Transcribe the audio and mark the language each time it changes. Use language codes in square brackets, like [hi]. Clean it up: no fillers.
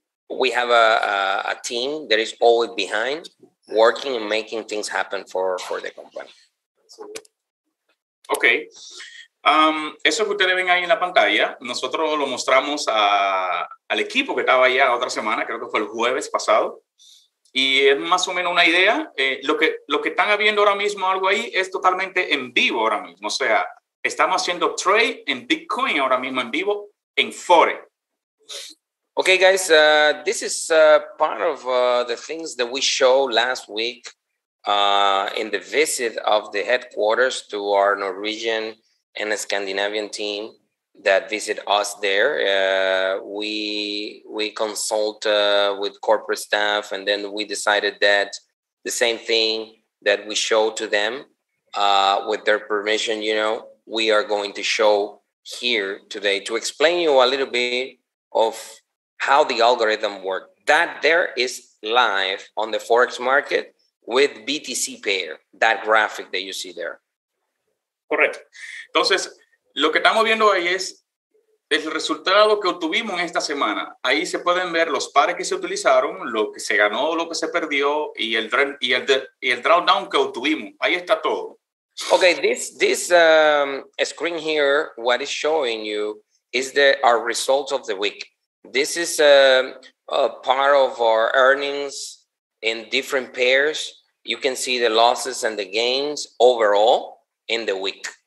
[en] we have a team that is always behind working and making things happen for the company. Okay. [es] Eso que ustedes ven ahí en la pantalla, nosotros lo mostramos al equipo que estaba allá la otra semana, creo que fue el jueves pasado, y es más o menos una idea. Lo que están viendo ahora mismo algo ahí es totalmente en vivo ahora mismo. O sea, estamos haciendo trade en Bitcoin ahora mismo en vivo en Fore. [en] Okay, guys, this is part of the things that we show last week in the visit of the headquarters to our Norwegian and a Scandinavian team that visit us there. We consult with corporate staff, and then we decided that the same thing that we show to them with their permission, you know, we are going to show here today to explain you a little bit of how the algorithm works. That there is live on the Forex market with BTC pair, that graphic that you see there. [es] Correcto. Entonces, lo que estamos viendo ahí es el resultado que obtuvimos esta semana. Ahí se pueden ver los pares que se utilizaron, lo que se ganó, lo que se perdió y el drawdown que obtuvimos. Ahí está todo. [en] Okay, this screen here, what is showing you is our results of the week. This is a part of our earnings in different pairs. You can see the losses and the gains overall in the week.